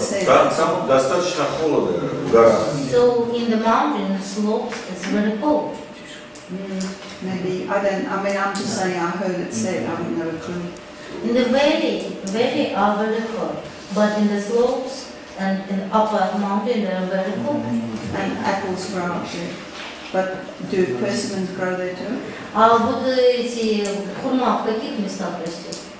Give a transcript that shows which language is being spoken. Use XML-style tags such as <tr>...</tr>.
<ru>said. Там достаточно холодно, гора.</ru> <en>So in the mountain slopes, it's very cold. Maybe I'm just saying I heard it said. I haven't got a clue. In the valley are very cold, but in the slopes and in upper mountain they are very cold. Mm-hmm. And apples grow up there, but do persimmons grow there too?</en> <ru>А вот эти хурма в каких местах растет?</ru>